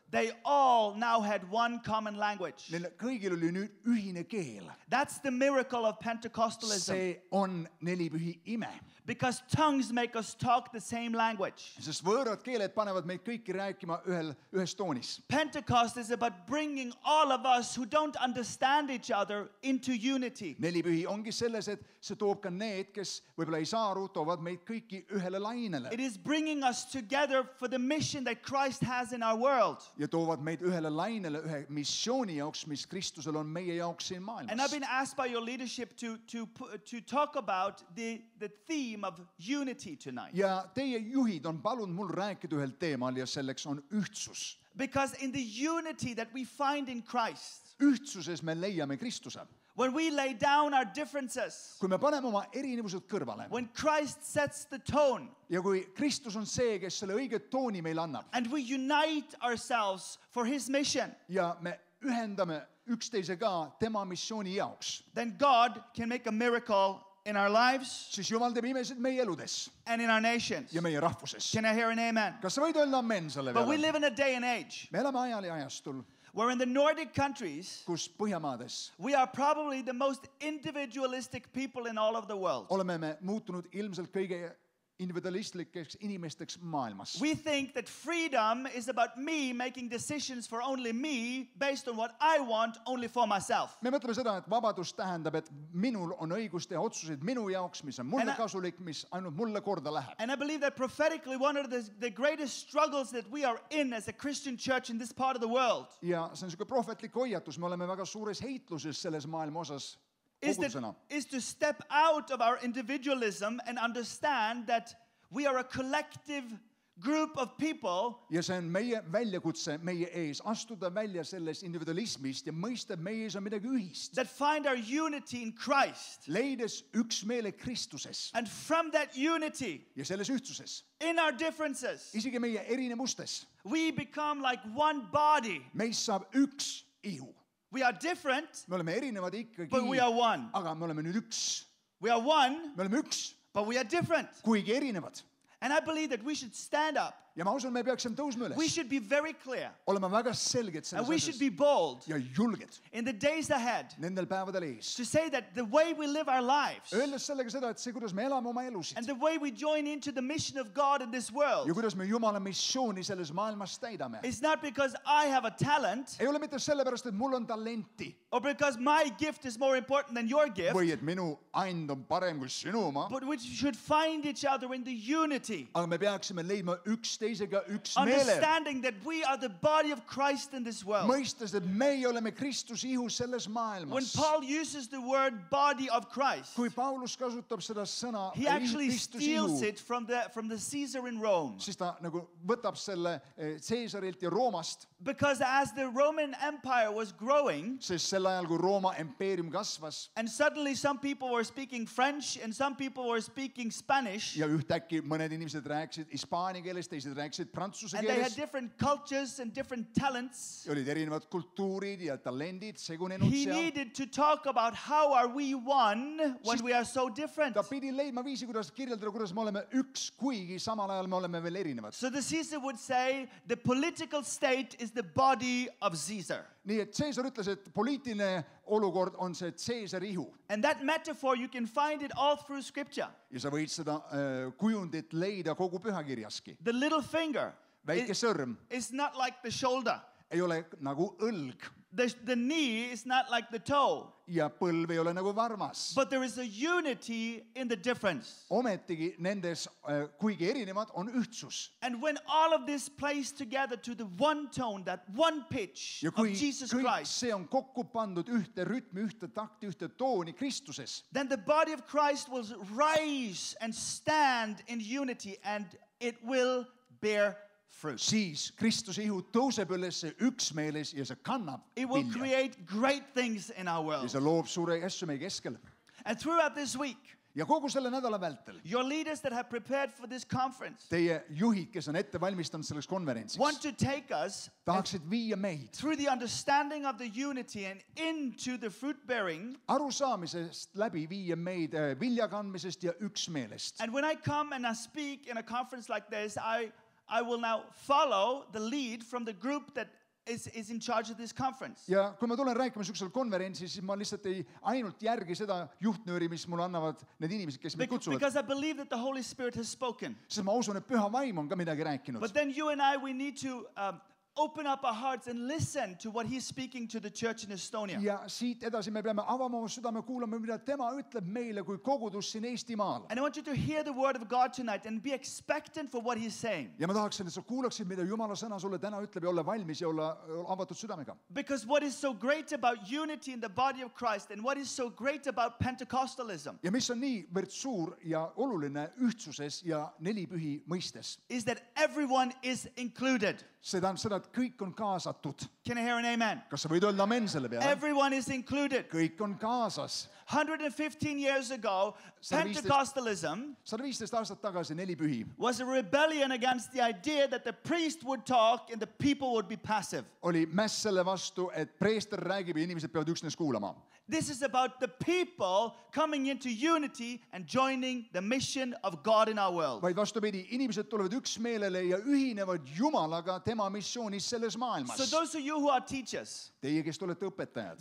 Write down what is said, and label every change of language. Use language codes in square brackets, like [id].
[en] They all now had one common language. [et] Neil kõigil oli nüüd ühine keel. [en] That's the miracle of Pentecostalism. [et] See on nelipühi ime. [en] Because tongues make us talk the same language. [et] Sest võõrad keeled panevad meid kõiki rääkima ühes toonis. [en] Pentecost is about bringing all of us who don't understand each other into unity. [et] Nelipühi ongi selles, et see toob ka need, kes võibolla ei saa aru, toovad meid kõiki ühele lainele. [en] It is bringing us together for the mission that Christ has in our world. [et] Ja toovad meid ühele lainele ühe missiooni jaoks, mis Kristusel on meie jaoks siin maailmas. [en] And I've been asked by your leadership to talk about the theme of unity tonight. [et] Ja teie juhid on palunud mul rääkida ühel teemal ja selleks on ühtsus. [en] Because in the unity that we find in Christ. [et] Ühtsuses me leiame Kristuse. [en] When we lay down our differences. [et] Kui me paneme oma erinevused kõrvale. [en] When Christ sets the tone. [et] Ja kui Kristus on see, kes selle õige tooni meil annab. [en] And we unite ourselves for his mission. [et] Ja me ühendame üksteise ka tema missiooni jaoks. [en] Then God can make a miracle in our lives, [et] siis Jumal teeb imesid meie eludes, [en] and in our nations, [et] ja meie rahvuses. [en] Can I hear an amen? [et] Kas sa võid öelda amen selle peale? [en] But we live in a day and age. [et] Me elame ajal ja ajastul. [en] Where in the Nordic countries, [et] kus Põhjamaades, [en] we are probably the most individualistic people in all of the world. [et] Oleme me muutunud ilmselt kõige individualistlikeks inimesteks maailmas. [en] We think that freedom is about me making decisions for only me based on what I want only for myself. [et] Me mõtleme seda, et vabadus tähendab, et minul on õigus teha otsuseid minu jaoks, mis on mulle kasulik, mis ainult mulle korda läheb. [en] And I believe that prophetically one of the greatest struggles that we are in as a Christian church in this part of the world. [et] Ja see on selline prohvetlik hoiatus, me oleme väga suures heitluses selles maailma osas. [en] Is to step out of our individualism and understand that we are a collective group of people. [et] Ja see on meie väljakutse meie ees, astuda välja selles individualismist ja mõista, et meie ees on midagi ühist. [en] That find our unity in Christ. [et] Leides üksmeele Kristuses. [en] And from that unity. [et] Ja selles ühtsuses. [en] In our differences. [et] Isegi meie erinevustes. [en] We become like one body. [et] Meis saab üks ihu. [en] We are different, [et] me oleme erinevad ikkagi, [en] but we are one. [et] Aga me oleme nüüd üks. [en] We are one, [et] me oleme üks, [en] but we are different. [et] Kuigi erinevad. [en] And I believe that we should stand up. [et] Ja ma usun, me peaksime tõusma üles. [en] We should be very clear. [et] Oleme väga selged selles. [en] And we should be bold. [et] Ja julged. [en] In the days ahead. [et] Nendel päevadel ees. [en] To say that the way we live our lives. [et] Öelda sellega seda, et see, kuidas me elame oma elusid. [en] And the way we join into the mission of God in this world. [et] Ja kuidas me Jumala missiooni selles maailmas täidame. [en] It's not because I have a talent. [et] Ei ole mitte sellepärast, et mul on talenti. [en] Or because my gift is more important than your gift. [et] Või et minu ainult on parem kui sinu oma. [en] But we should find each other in the unity. [et] Aga me peaksime leidma üksteist. [en] Understanding that we are the body of Christ in this world. [et] Mõistes, et me oleme Kristus ihu selles maailmas. [en] When Paul uses the word body of Christ, [et] kui Paulus kasutab seda sõna, [en] he actually steals it from the Caesar in Rome. [et] Siis ta nagu võtab selle Caesarilt ja Roomast. [en] Because as the Roman Empire was growing, [et] siis selle ajal, kui Rooma empeerium kasvas, [en] and suddenly some people were speaking French and some people were speaking Spanish, [et] ja ühtäkki mõned inimesed rääksid hispaani keeles, teised rääksid prantsuse keeles. [en] And they had different cultures and different talents. [et] Ja olid erinevad kultuurid ja talendid segunenud seal. [en] He needed to talk about how are we one when we are so different. [et] Ta pidi leidma viisi, kuidas kirjeldada, kuidas me oleme üks, kuigi samal ajal me oleme veel erinevad. [en] So the Caesar would say, the political state is the body of Caesar. [et] Nii et Caesar ütles, et poliitiline olukord on see Caesar ihu. [en] And that metaphor you can find it all through scripture. [et] Ja sa võid seda kujundit leida kogu pühakirjaski. [en] The little finger. [et] Väike sõrm. [en] Is not like the shoulder. [et] Ei ole nagu õlg. [en] the knee is not like the toe. [et] Ja põlv ei ole nagu varmas. [en] But there is a unity in the difference. [et] Ometigi nendes kuigi erinevad on ühtsus. [en] And when all of this plays together to the one tone, that one pitch [et] ja [en] of Jesus [et] kõik [en] Christ. [et] See on kokku pandud ühte rütmi, ühte takti, ühte tooni Kristuses. [en] Then the body of Christ will rise and stand in unity and it will bear fruit. [et] Siis Kristus ihu tõuseb ülesse üksmeeles ja see kannab vilja. [en] It will create great things in our world. [et] Ja see loob suure asju meie keskel. [en] And throughout this week, [et] ja kogu selle nädala vältel, [en] your leaders that have prepared for this conference, [et] teie juhid, kes on ette valmistanud selleks konverentsiks, [en] want to take us [et] tahaksid viia meid [en] through the understanding of the unity and into the fruit bearing, [et] arusaamisest läbi viia meid viljakandmisest ja üksmeelest. [en] And when I come and I speak in a conference like this, I will now follow the lead from the group that is in charge of this conference. [et] Ja kui ma tulen rääkima sellel konverentsil, siis ma lihtsalt ei ainult järgi seda juhtnööri, mis mul annavad need inimesed, kes mind kutsuvad. [en] Because I believe that the Holy Spirit has spoken. [et] Sest ma usun, et püha vaim on ka midagi rääkinud. [en] But then you and I, we need to open up our hearts and listen to what he's speaking to the church in Estonia. [et] Ja siit edasi me peame avama oma südame kuulama, mida tema ütleb meile kui kogudus siin Eestimaal. [en] And I want you to hear the word of God tonight and be expectant for what he's saying. [et] Ja ma tahaksin, et sa kuulaksid, mida Jumala sõna sulle täna ütleb ja olla valmis ja olla avatud südamega. [en] Because what is so great about unity in the body of Christ and what is so great about Pentecostalism? [et] Ja mis on nii võrd suur ja oluline ühtsuses ja nelipühi mõistes? [en] Is that everyone is included. [et] Seda on seda, et kõik on kaasatud. [en] Can I hear an amen? [et] Kas sa võid olla amen selle peale? [en] Everyone is included. [et] Kõik on kaasas. [en] 115 years ago, Pentecostalism [et] 115 aastat tagasi nelipühi [en] was a rebellion against the idea that the priest would talk and the people would be passive. [et] Oli mäss selle vastu, et preester räägib ja inimesed peavad üksnes kuulama. [en] This is about the people coming into unity and joining the mission of God in our world. [et] Vaid vastupidi, inimesed tulevad üksmeelele ja ühinevad Jumalaga tema missioonis selles maailmas. [en] So those of you who are teachers, [et] teie, kes olete õpetajad,